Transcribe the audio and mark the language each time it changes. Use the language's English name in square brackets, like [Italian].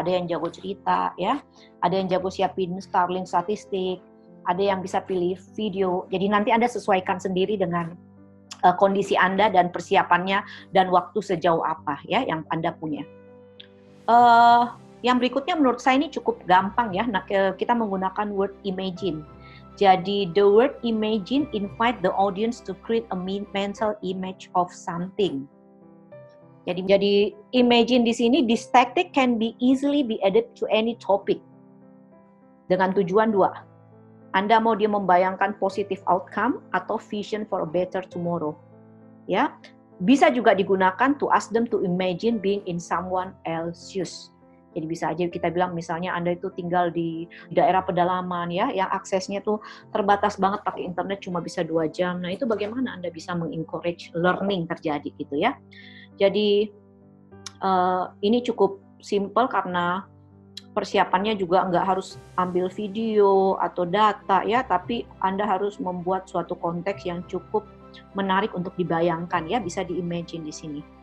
[Indonesian] Ada yang jago cerita ya, ada yang jago siapin Starlink statistik, ada yang bisa pilih video. Jadi nanti Anda sesuaikan sendiri dengan kondisi Anda dan persiapannya dan waktu sejauh apa ya yang Anda punya. Yang berikutnya menurut saya ini cukup gampang ya. Nah, kita menggunakan word imagine. [English] Jadi the word imagine invite the audience to create a mental image of something. [Indonesian] Jadi imagine di sini, [English] this tactic can be easily be added to any topic. [Indonesian] Dengan tujuan dua. Anda mau dia membayangkan positive outcome atau [English] vision for a better tomorrow. [Indonesian] Ya. Bisa juga digunakan [English] to ask them to imagine being in someone else's shoes. [Indonesian] Jadi bisa aja kita bilang misalnya Anda itu tinggal di daerah pedalaman ya, yang aksesnya tuh terbatas banget, pakai internet cuma bisa 2 jam. Nah itu bagaimana Anda bisa meng-encourage learning terjadi gitu ya. Jadi ini cukup simple karena persiapannya juga nggak harus ambil video atau data ya, tapi Anda harus membuat suatu konteks yang cukup menarik untuk dibayangkan ya, bisa di-imagine di sini.